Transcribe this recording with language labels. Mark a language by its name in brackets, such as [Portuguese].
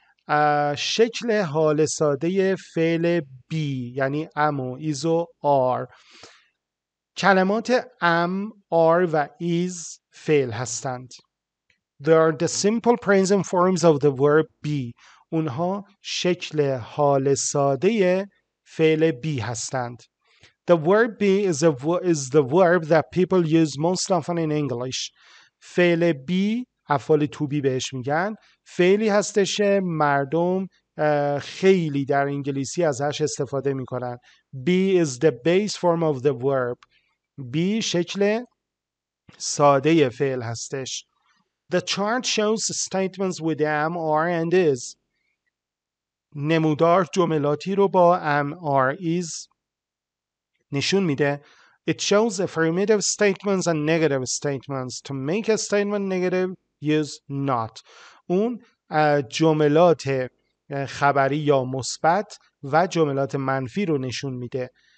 [Persian] شکل حال ساده فعل be یعنی am و is و are. کلمات am, are و is فعل هستند. [English] They are the simple present forms of the verb be. [Persian] اونها شکل حال ساده فعل بی هستند. [English] The word be is the verb that people use most often in English. [Persian] فعل بی، افعال تو بی بهش میگن. فعلی هستش مردم خیلی در انگلیسی ازش استفاده میکنن. [English] Be is the base form of the verb. [Persian] Be شکل ساده فعل هستش. [English] The chart shows statements with am, are and is. [Persian] نمودار جملاتی رو با am, are, is نشون میده. [English] It shows affirmative statements and negative statements. To make a statement negative, use not. [Persian] اون جملات خبری یا مثبت و جملات منفی رو نشون میده.